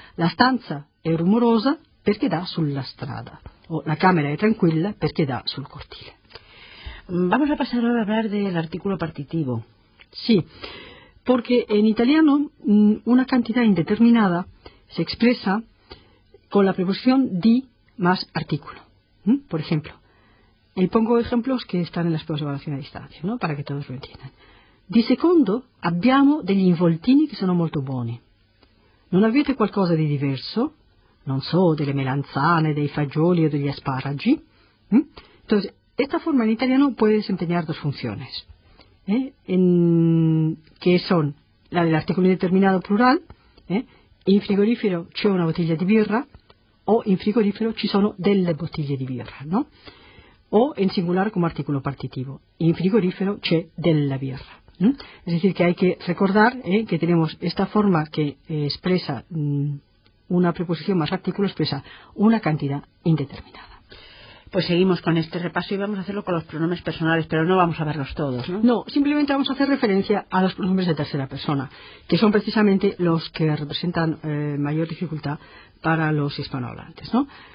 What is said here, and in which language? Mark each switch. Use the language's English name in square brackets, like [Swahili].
[Italian] La stanza è rumorosa perché dà sulla strada, o la cámara è tranquilla perché dà sul cortile. [Spanish] Vamos a pasar ahora a hablar del artículo partitivo. Sí. Porque en italiano una cantidad indeterminada se expresa con la preposición di más artículo. Por ejemplo, y pongo ejemplos que están en las pruebas de evaluación a distancia, ¿no? Para que todos lo entiendan. [Italian] Di secondo abbiamo degli involtini che sono molto buoni. Non avete qualcosa di diverso? Non so, delle melanzane, dei fagioli o degli asparagi? [Spanish] Entonces, esta forma en italiano puede desempeñar dos funciones. [Italian] Che sono la dell'articolo indeterminato plural, in frigorifero c'è una bottiglia di birra, o in frigorifero ci sono delle bottiglie di birra, no? O in singolare come articolo partitivo, in frigorifero c'è della birra. [Spanish] Es decir, que hay que recordar que tenemos esta forma que expresa una preposición más artículo, expresa una cantidad indeterminada. Pues seguimos con este repaso y vamos a hacerlo con los pronombres personales, pero no vamos a verlos todos, ¿no? No, simplemente vamos a hacer referencia a los pronombres de tercera persona, que son precisamente los que representan mayor dificultad para los hispanohablantes, ¿no?